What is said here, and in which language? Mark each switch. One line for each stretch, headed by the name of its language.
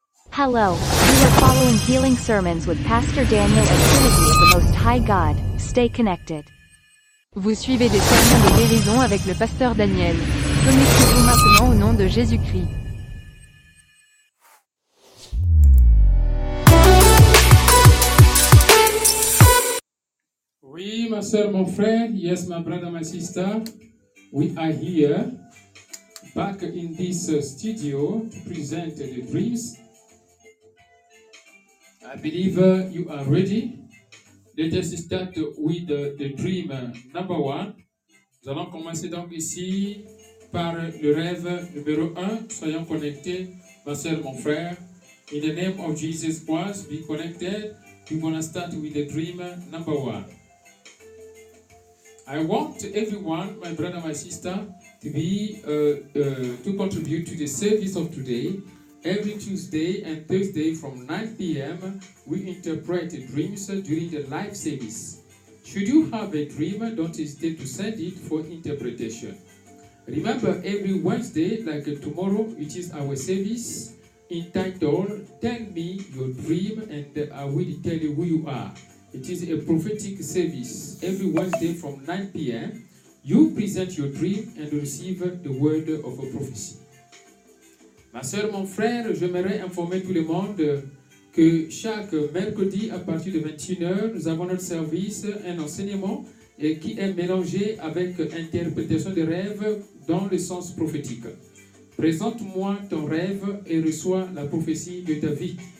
English: Hello, we are following healing sermons with Pastor Daniel and Trinity of the Most High God. Stay connected.
French: Vous suivez des sermons de guérison avec le pasteur Daniel. Connectez-vous maintenant au nom de Jésus-Christ. sœur, mon frère.
English: Yes, my brother, my sister. We are here, back in this studio, to present the dreams. I believe you are ready. Let us start with the dream number one.
French: Nous allons commencer donc ici par le rêve numéro un. Soyons connectés, ma sœur, mon frère.
English: In the name of Jesus Christ, be connected. We're going to start with the dream number one. I want everyone, my brother, my sister, to be to contribute to the service of today. Every Tuesday and Thursday from 9 p.m., we interpret dreams during the live service. Should you have a dream, don't hesitate to send it for interpretation. Remember, every Wednesday, like tomorrow, it is our service entitled "Tell Me Your Dream and I Will Tell You Who You Are." It is a prophetic service every Wednesday from 9 p.m. You present your dream and receive the word of a prophecy.
French: Ma soeur, mon frère, j'aimerais informer tout le monde que chaque mercredi à partir de 21h, nous avons notre service, un enseignement qui est mélangé avec interprétation des rêves dans le sens prophétique. Présente-moi ton rêve et reçois la prophétie de ta vie.